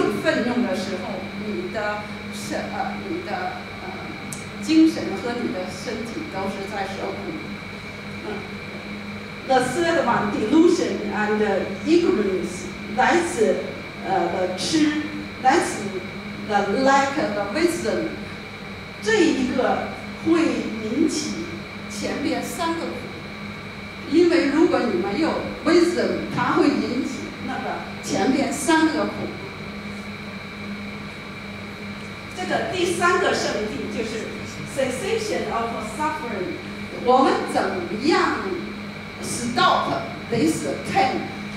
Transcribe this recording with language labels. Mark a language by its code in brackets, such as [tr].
[zh] 你的你的精神和你的身体都是在受苦。 [en] The third one, delusion and ignorance, that's the 痴 that's the lack of the wisdom. [zh] 这一个会引起前面三个苦，因为如果你没有 wisdom, 它会引起那个前面三个苦。这个第三个圣谛就是 [en] cessation of suffering, [zh] 我们怎么样 [en] Stop this pain.